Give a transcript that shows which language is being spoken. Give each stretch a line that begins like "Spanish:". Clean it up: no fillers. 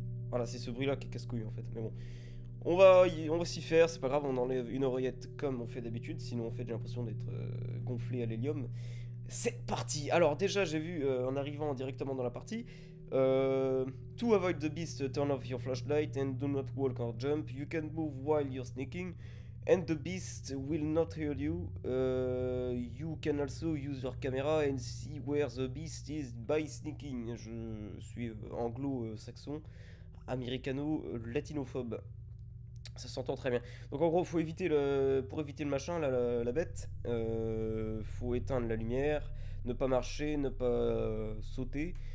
French: Voilà, c'est ce bruit-là qui est casse-couille, en fait. Mais bon. On va s'y faire, c'est pas grave, on enlève une oreillette comme on fait d'habitude. Sinon, en fait, j'ai l'impression d'être gonflé à l'hélium. C'est parti! Alors, déjà, j'ai vu en arrivant directement dans la partie.
English: To avoid the beast, turn off your flashlight and do not walk or jump. You can move while you're sneaking, and the beast will not hear you. You can also use your camera and see where the beast is by sneaking.
French: Je suis anglo-saxon, américano-latinophobe. Ça s'entend très bien. Donc en gros, faut éviter pour éviter le machin, la bête, faut éteindre la lumière, ne pas marcher, ne pas sauter.